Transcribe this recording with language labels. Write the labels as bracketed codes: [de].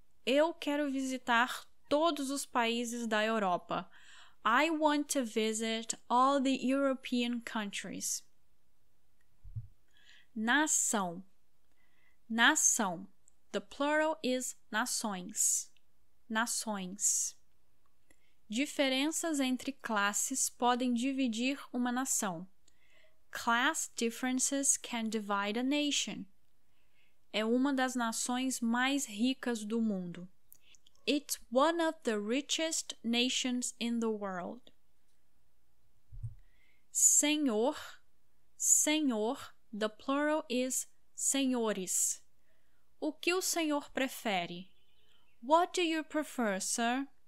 [pt] Eu quero visitar todos os países da Europa. [en] I want to visit all the European countries. Nação. Nação. The plural is nações. [pt] Nações. Diferenças entre classes podem dividir uma nação. [en] Class differences can divide a nation. [pt] É uma das nações mais ricas do mundo. [en] It's one of the richest nations in the world. Senhor, senhor, the plural is senhores. [pt] O que o senhor prefere? [en] What do you prefer, sir?